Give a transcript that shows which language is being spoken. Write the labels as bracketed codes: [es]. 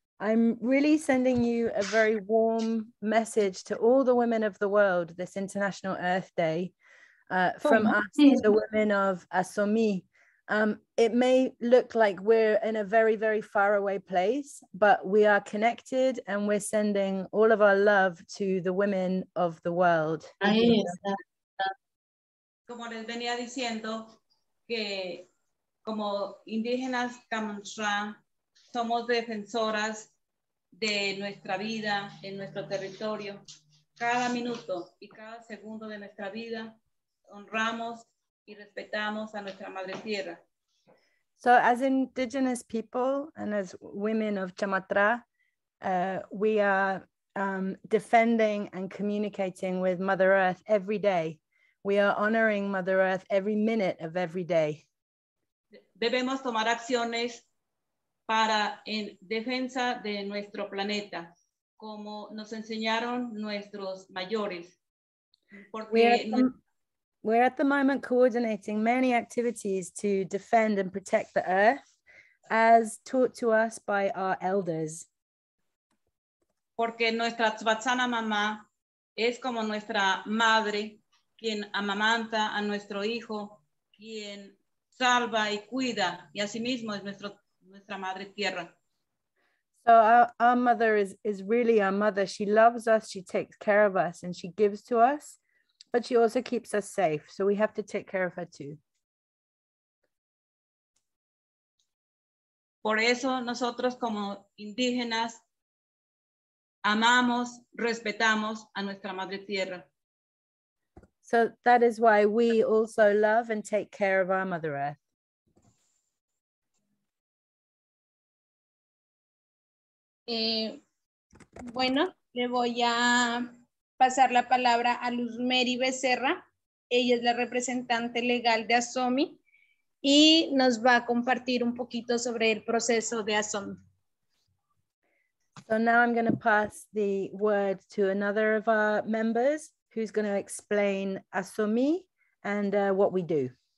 [en] I'm really sending you a very warm message to all the women of the world this International Earth Day from us, the women of ASOMI. It may look like we're in a very, very far away place, but we are connected and we're sending all of our love to the women of the world. [es] Ahí está. Como les venía diciendo, que como indígenas Camanchua, somos defensoras de nuestra vida en nuestro territorio. Cada minuto y cada segundo de nuestra vida honramos y respetamos a nuestra madre tierra. [en] So as indigenous people and as women of Chamatra, we are defending and communicating with Mother Earth every day. We are honoring Mother Earth every minute of every day. [es] Debemos tomar acciones para en defensa de nuestro planeta, como nos enseñaron nuestros mayores. [en] We're at the moment coordinating many activities to defend and protect the earth as taught to us by our elders. [es] Porque nuestra Tzvatzana mamá es como nuestra madre, quien amamanta a nuestro hijo, quien salva y cuida, y asimismo es nuestra madre tierra. [en] So our mother is really our mother. She loves us, she takes care of us, and she gives to us. But she also keeps us safe, so we have to take care of her too. [es] Por eso nosotros como indígenas amamos, respetamos a nuestra madre tierra. [en] So that is why we also love and take care of our mother earth. [es] Bueno, le voy a pasar la palabra a Luz Mary Becerra. Ella es la representante legal de ASOMI y nos va a compartir un poquito sobre el proceso de ASOMI. [en] So now I'm going to pass the word to another of our members who's going to explain ASOMI and what we do.